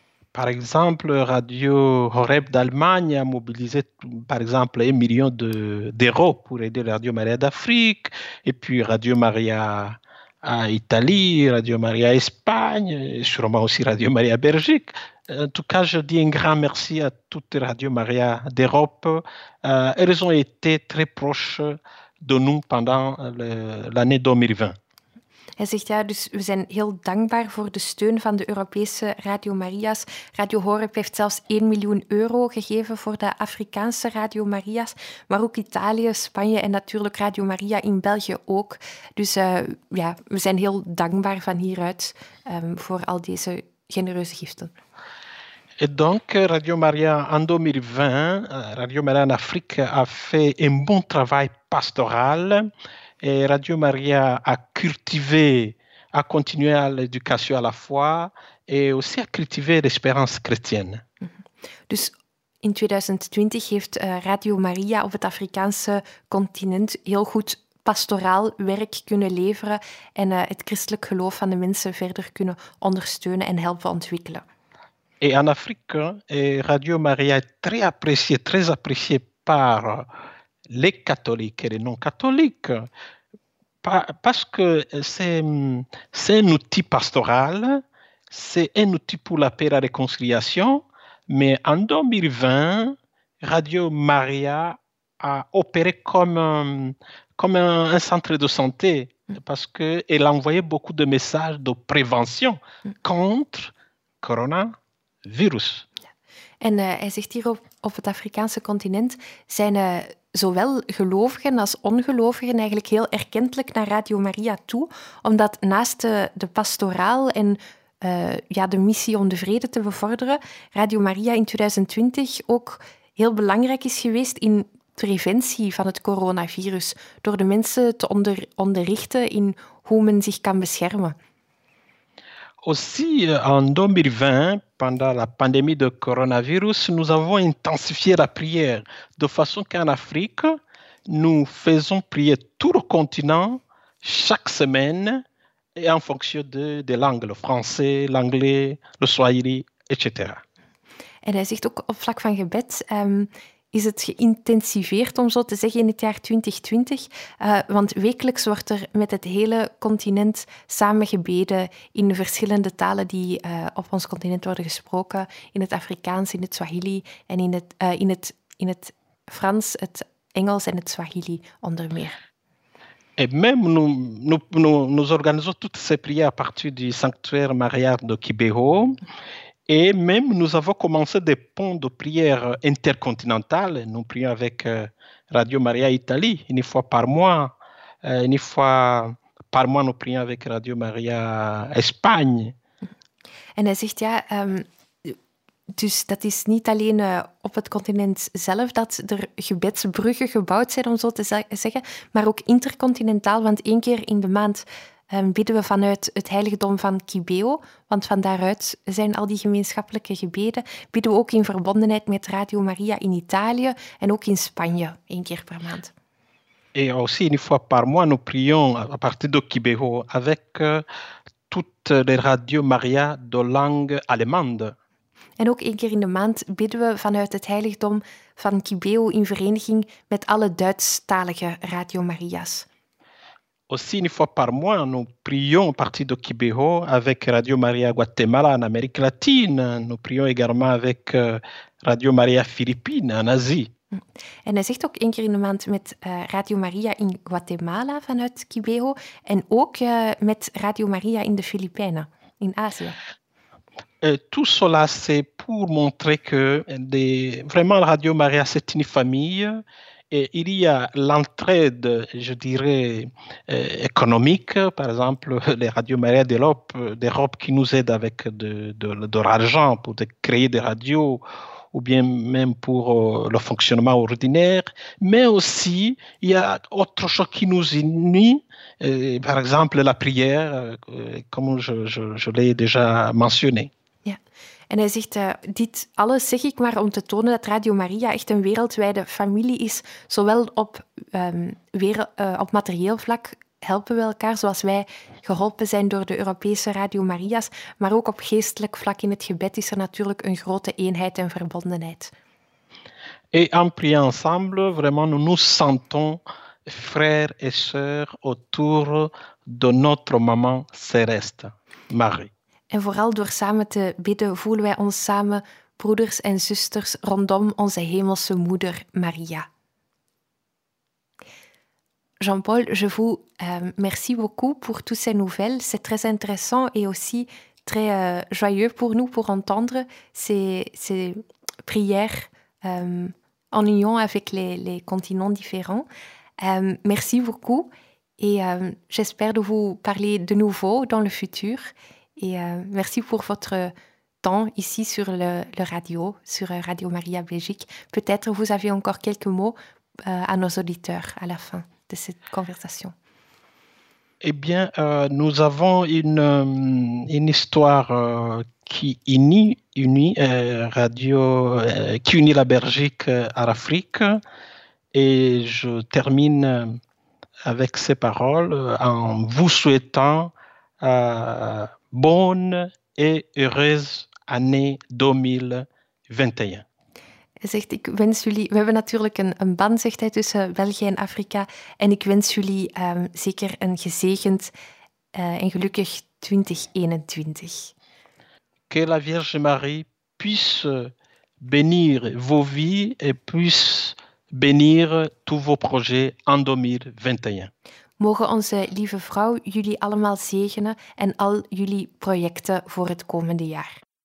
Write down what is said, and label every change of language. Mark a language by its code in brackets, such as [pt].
[fr] Par exemple, Radio Horeb d'Allemagne a mobilisé, par exemple, 1 million d'euros pour aider Radio Maria d'Afrique, et puis Radio Maria à Italie, Radio Maria Espagne, et sûrement aussi Radio Maria Belgique. En tout cas, je dis un grand merci à toutes les Radio Maria d'Europe. Elles ont été très proches de nous pendant l'année 2020. [nl] Hij zegt, ja, dus we zijn heel dankbaar voor de steun van de Europese Radio Maria's. Radio Horeb heeft zelfs 1 miljoen euro gegeven voor de Afrikaanse Radio Maria's. Maar ook Italië, Spanje en natuurlijk Radio Maria in België ook. Dus ja, we zijn heel dankbaar van hieruit voor al deze genereuze giften. [fr] Et donc, Radio Maria, en 2020, Radio Maria en Afrique a fait un bon travail pastoral. Et Radio Maria a cultivé, a continué à l'éducation à la foi et aussi a cultivé l'espérance chrétienne. [nl] Dus in 2020 heeft Radio Maria op het Afrikaanse continent heel goed pastoraal werk kunnen leveren en het christelijk geloof van de mensen verder kunnen ondersteunen en helpen ontwikkelen. [fr] Et en Afrique, Radio Maria est très appréciée par les catholiques et les non-catholiques, parce que c'est un outil pastoral, c'est un outil pour la paix et la réconciliation, mais en 2020, Radio Maria a opéré comme un centre de santé, parce qu'elle a envoyé beaucoup de messages de prévention contre corona. Virus. Ja. [nl] En hij zegt hier op het Afrikaanse continent zijn zowel gelovigen als ongelovigen eigenlijk heel erkentelijk naar Radio Maria toe, omdat naast de pastoraal en ja, de missie om de vrede te bevorderen, Radio Maria in 2020 ook heel belangrijk is geweest in preventie van het coronavirus, door de mensen te onderrichten in hoe men zich kan beschermen. [fr] Aussi, en 2020, pendant la pandémie de coronavirus, nous avons intensifié la prière, de façon qu'en Afrique, nous faisons prier tout le continent, chaque semaine, et en fonction de langues, le français, l'anglais, le swahili, etc. [nl] En hij zegt ook, op vlak van gebed, is het geïntensiveerd, om zo te zeggen, in het jaar 2020. Want wekelijks wordt er met het hele continent samen gebeden in de verschillende talen die op ons continent worden gesproken. In het Afrikaans, in het Swahili en in het Frans, het Engels en het Swahili onder meer. [fr] Et même nous organisons toutes ces prières à partir du Sanctuaire Maria de Kibeho. Et même, nous avons commencé des ponts de prière intercontinentales. Nous prions avec Radio Maria Italie, une fois par mois. Une fois par mois, nous prions avec Radio Maria Espagne. [nl] En hij zegt, ja, dus dat is niet alleen op het continent zelf dat er gebedsbruggen gebouwd zijn, om zo te zeggen, maar ook intercontinentaal, want één keer in de maand bidden we vanuit het heiligdom van Kibeho, want van daaruit zijn al die gemeenschappelijke gebeden, bidden we ook in verbondenheid met Radio Maria in Italië en ook in Spanje, één keer per maand. En ook een keer per maand, [fr] nous prions à partir de Kibeho avec toutes les Radio Maria de langue allemande. [nl] En ook één keer in de maand bidden we vanuit het heiligdom van Kibeho in vereniging met alle Duitsstalige Radio Maria's. [fr] Aussi, une fois par mois, nous prions à partir de Kibeho avec Radio Maria Guatemala en Amérique latine. Nous prions également avec Radio Maria Philippines en Asie. [nl] En hij zegt ook één keer in de maand met Radio Maria in Guatemala vanuit Kibeho en ook met Radio Maria in de Filipijnen, in Azië. [fr] Tout cela, c'est pour montrer que vraiment Radio Maria, c'est une famille. Et il y a l'entraide, je dirais, économique, par exemple, les Radio Maria d'Europe qui nous aident avec de l'argent pour créer des radios ou bien même pour le fonctionnement ordinaire. Mais aussi, il y a autre chose qui nous unit, par exemple la prière, comme je l'ai déjà mentionné. [nl] En hij zegt, dit alles zeg ik maar om te tonen dat Radio Maria echt een wereldwijde familie is. Zowel op materieel vlak helpen we elkaar, zoals wij geholpen zijn door de Europese Radio Maria's, maar ook op geestelijk vlak in het gebed is er natuurlijk een grote eenheid en verbondenheid. [fr] Et en priant ensemble, vraiment nous nous sentons frères et sœurs autour de notre maman céleste, Marie. [nl] En vooral door samen te bidden, voelen wij ons samen broeders en zusters rondom onze hemelse moeder Maria. [fr] Jean-Paul, je vous remercie beaucoup pour toutes ces nouvelles. C'est très intéressant et aussi très joyeux pour nous pour entendre ces prières en union avec les continents différents. Merci beaucoup et j'espère de vous parler de nouveau dans le futur. Et merci pour votre temps ici sur le radio, sur Radio Maria Belgique. Peut-être vous avez encore quelques mots à nos auditeurs à la fin de cette conversation. Eh bien, nous avons une histoire qui unit la Belgique à l'Afrique. Et je termine avec ces paroles en vous souhaitant bonne et heureuse année 2021. [nl] Zegt, ik wens jullie, we hebben natuurlijk een band, zegt hij, tussen België en Afrika. En ik wens jullie zeker een gezegend en gelukkig 2021. [fr] Que la Vierge Marie puisse bénir vos vies et puisse bénir tous vos projets en 2021. [nl] Mogen onze lieve vrouw jullie allemaal zegenen en al jullie projecten voor het komende jaar.